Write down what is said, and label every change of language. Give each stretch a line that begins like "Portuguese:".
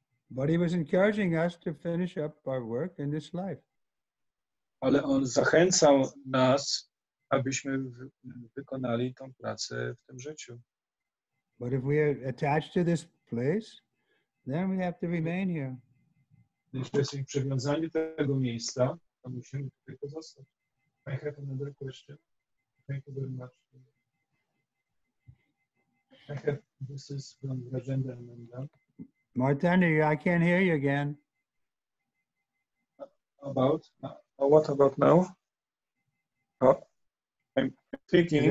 English: But he was encouraging us to finish up our work in this life.
Polish: Ale on zachęcał nas, abyśmy wykonali tą pracę w tym życiu.
English: But if we are attached to this place, then we have to remain here.
Polish: Jeśli jesteśmy przywiązani do tego miejsca, to musimy tutaj pozostać.
English: I have another question. Thank you very much. I have, this is from Rajendra Ananda. Martinder, I can't hear you again. About? What about now? Oh. I'm thinking.